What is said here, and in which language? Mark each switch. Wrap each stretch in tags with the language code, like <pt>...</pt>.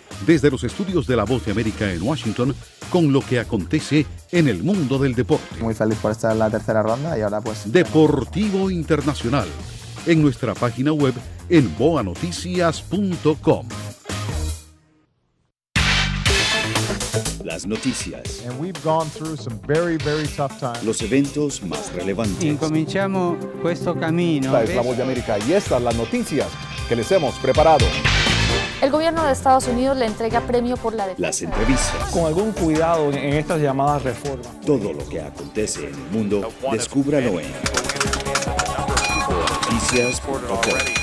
<es>Desde los estudios de La Voz de América en Washington, con lo que acontece en el mundo del deporte. Muy feliz por estar en la tercera ronda y ahora pues... Deportivo Internacional, en nuestra página web en boanoticias.com. Las noticias.</es> <en>And we've gone through some very, very tough times.</en> <es>Los eventos más relevantes. Y comenzamos este camino. Esta es La Voz de América y estas son las noticias que les hemos preparado. El gobierno de Estados Unidos le entrega premio por la defensa. Las entrevistas. Con algún cuidado en estas llamadas reformas. Todo lo que acontece en el mundo, descúbralo en Noticias.com.</es>